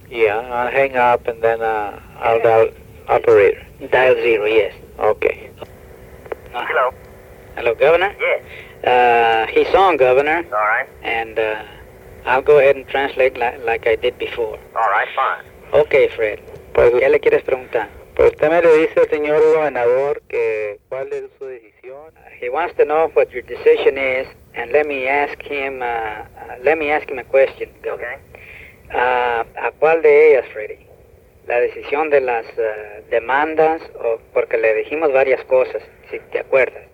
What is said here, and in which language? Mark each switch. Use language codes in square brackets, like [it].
[en] Yeah, I'll hang up and then I'll dial operator. Dial zero, yes. Okay. Hello. Hello, Governor? Yes. He's on, Governor. All right. And I'll go ahead and translate like I did before. All right, fine. Okay, Fred. [es] Pues, ¿qué le quieres preguntar? Pues usted me le dice, señor gobernador, que cuál es su decisión. [en] He wants to know what your decision is, and let me ask him a question. Okay. [es] ¿A cuál de ellas, Freddy? La decisión de las demandas, o porque le dijimos varias cosas, si te acuerdas.